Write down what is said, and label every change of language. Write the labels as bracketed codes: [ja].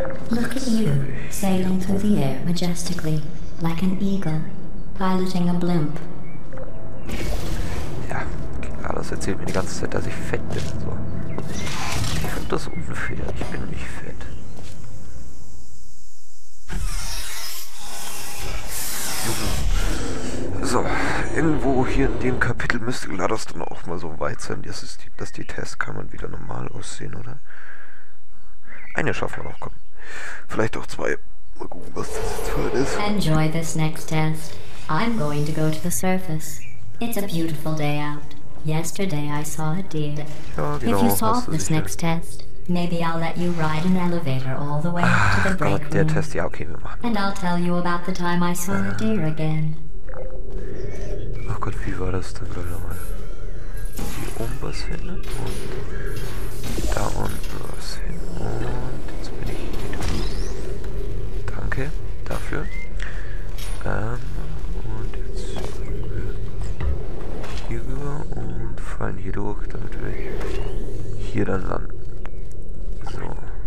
[en] look at you, sailing through the air majestically, like an eagle, piloting a blimp. [de] Ja, klar, das erzählt mir die ganze Zeit, dass ich fett bin und so. Ich finde das unfair, ich bin nicht fett. So, irgendwo hier in dem Kapitel müsste GLaDOS dann auch mal so weit sein, dass die Testkammern wieder normal aussehen, oder? Eine schaffen wir noch, komm. Vielleicht auch zwei. Mal gucken, was das jetzt für ein ist. [en] Enjoy this next test. I'm going to go to the surface. It's a beautiful day out. Yesterday I saw a deer. [de] Ja, genau. [en] If you solve this next test, maybe I'll let you ride an elevator all the way to the break room. [de] Der Test, ja, okay, wir machen. [en] And I'll tell you about the time I saw a deer again. [de] Ach Gott, wie war das denn gleich nochmal? Hier oben was hin und da unten was hin und jetzt bin ich hier wieder. Danke dafür. Und jetzt fallen wir hier rüber und fallen hier durch, damit wir hier dann landen. So.